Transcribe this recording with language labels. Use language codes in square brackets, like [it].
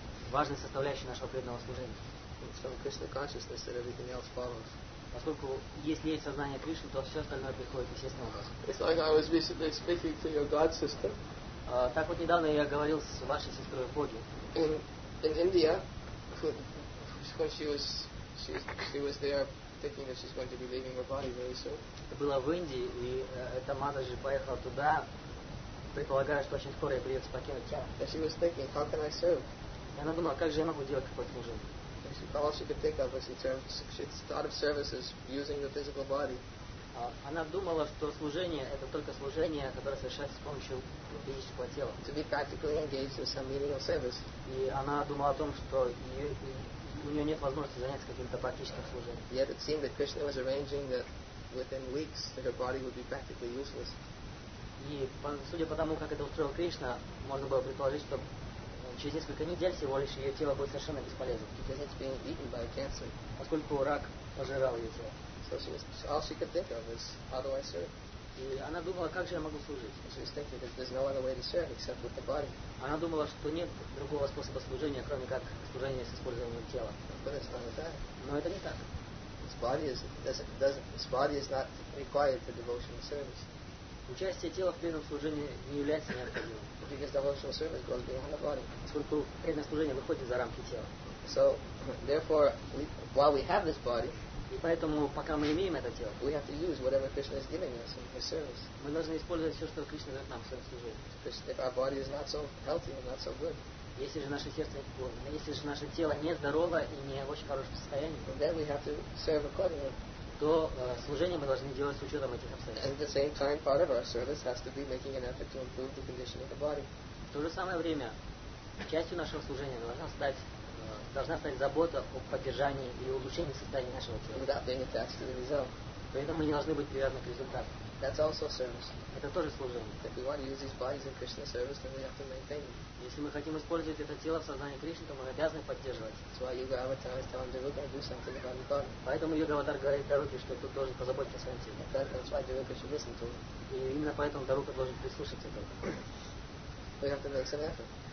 [ru] Важной составляющей нашего преданного служения. [en] So Krishna consciousness that everything else follows. [ru] Поскольку если есть сознание Кришны, то все остальное приходит естественным образом. [en] It's like I was recently speaking to your god sister. [ru] Так вот недавно я говорил с вашей сестрой Боги. [en] In India, when she was there thinking that she's going to be leaving her body very soon. [ru] Это было в Индии, и эта Мададжи поехала туда, предполагая, что очень скоро ей придется покинуть тело. [en] And she was thinking, how can I serve? [ru] И она думала, как же я могу делать какое-то служение? [en] She thought all she could think of was in terms of, she thought of services using the physical body. [ru] Она думала, что служение — это только служение, которое совершается с помощью физического тела. [en] To be practically engaged in some meaningful service. [ru] И она думала о том, что у нее нет возможности заняться каким-то практическим служением. [en] Yet it seemed that Krishna was arranging that within weeks that her body would be practically useless. [ru] И судя по тому, как это устроил Кришна, можно было предположить, что через несколько недель всего лишь ее тело будет совершенно бесполезным. [en] Because it's being eaten by cancer. [ru] Поскольку рак пожирал ее тело. [en] So she was, all she could think of is, how do I serve? [ru] И она думала, как же я могу служить? [en] She was thinking that there's no other way to serve except with the body. [ru] Она думала, что нет другого способа служения, кроме как служения с использованием тела. [en] But it's not that. [ru] Но это не так. [en] His body is not required for devotional service. [ru] Участие тела в преданном служении не является необходимым. [en] Because devotional service goes beyond the body. [ru] Поскольку преданное служение выходит за рамки тела. [en] So, therefore, while we have this body, [ru] и поэтому, пока мы имеем это тело, [en] we have to use whatever Krishna is giving us in his service. [ru] Мы должны использовать все, что Кришна дает нам в своем служении. [en] If our body is not so healthy and not so good, [ru] Если же наше сердце больно, если же наше тело не здорово и не в очень хорошем состоянии, [en] then we have to serve accordingly. [ru] То служение мы должны делать с учетом этих обстоятельств. [en] And at the same time, part of our service has to be making an effort to improve the condition of the body. [ru] В то же самое время частью нашего служения должна стать забота о поддержании и улучшении состояния нашего тела. [en] Without being attached to the result. [ru] Поэтому мы не должны быть привязаны к результату. [en] That's also service. [ru] Это тоже служение. [en] If we want to use these bodies in Krishna service, then we have to maintain it. [ru] Если мы хотим использовать это тело в сознании Кришны, то мы обязаны поддерживать. Поэтому Йога Аватар говорит Даруке, что тут должен позаботиться о своем теле. [en] That's why Daruka should listen to him. [ru] И именно поэтому Дарука должен прислушаться к этому. [en] We have to make some effort.